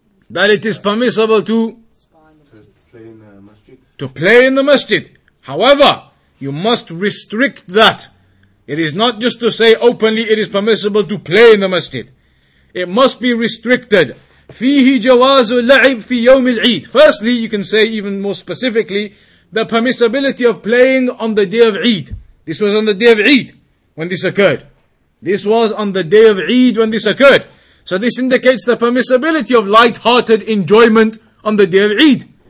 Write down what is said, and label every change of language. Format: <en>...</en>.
<en>That it is permissible to play in the masjid. To play in the masjid. However, you must restrict that. It is not just to say openly it is permissible to play in the masjid. It must be restricted.</en> <ar>فيه جواز اللعب في يوم العيد.</ar> <en>Firstly, you can say even more specifically, the permissibility of playing on the day of Eid. This was on the day of Eid when this occurred. This was on the day of Eid when this occurred. So this indicates the permissibility of light-hearted enjoyment on the day of Eid.</en>